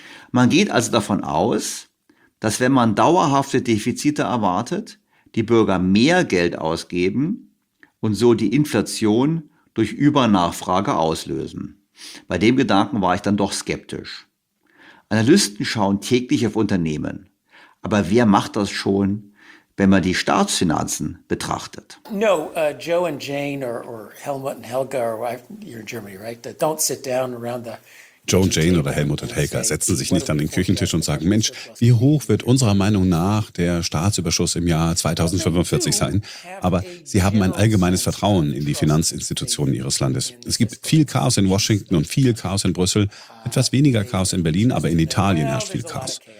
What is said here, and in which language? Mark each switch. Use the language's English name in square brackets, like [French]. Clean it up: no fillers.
[German] Man geht also davon aus, dass wenn man dauerhafte Defizite erwartet, die Bürger mehr Geld ausgeben und so die Inflation durch Übernachfrage auslösen. Bei dem Gedanken war ich dann doch skeptisch. Analysten schauen täglich auf Unternehmen. Aber wer macht das schon, wenn man die Staatsfinanzen betrachtet? [English] Joe and Jane or Helmut and Helga, you're in Germany, right? That don't sit down around the... [German] Joe und Jane oder Helmut und Helga setzen sich nicht an den Küchentisch und sagen, Mensch, wie hoch wird unserer Meinung nach der Staatsüberschuss im Jahr 2045 sein? Aber sie haben ein allgemeines Vertrauen in die Finanzinstitutionen ihres Landes. Es gibt viel Chaos in Washington und viel Chaos in Brüssel, etwas weniger Chaos in Berlin, aber in Italien herrscht viel Chaos.